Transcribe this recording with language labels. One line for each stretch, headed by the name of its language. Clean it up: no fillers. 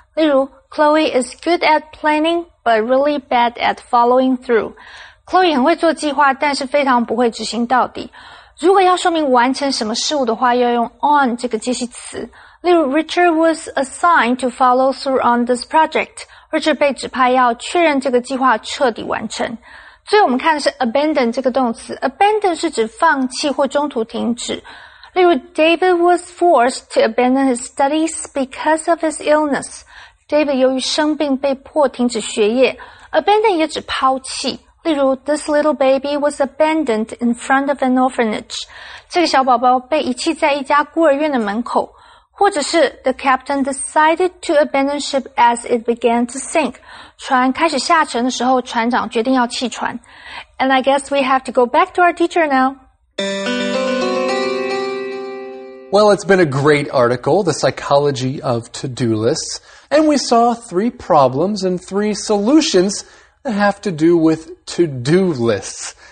Chinese: 例如
English: ,Chloe is good at planning, but really bad at following through.
Chinese: Chloe 很会做计划，但是非常不会执行到底。如果要说明完成什么事物的话，要用 on 这个介系词。例如
English: ,Richard was assigned to follow through on this project.
Chinese: Richard 被指派要确认这个计划彻底完成。最后我们看的是 abandon 这个动词。abandon 是指放弃或中途停止。例如
English: ,David was forced to abandon his studies because of his illness.
Chinese: David 由于生病被迫停止学业。abandon 也指抛弃。例如
English: ,this little baby was abandoned in front of an orphanage.
Chinese: 这个小宝宝被遗弃在一家孤儿院的门口。或者是
English: the captain decided to abandon ship as it began to sink.
Chinese: 船开始下沉的时候，船长决定要弃船。
English: And I guess we have to go back to our teacher now. Well, it's been a great article, The Psychology of To-Do Lists. And we saw three problems and three solutions that have to do with to-do lists.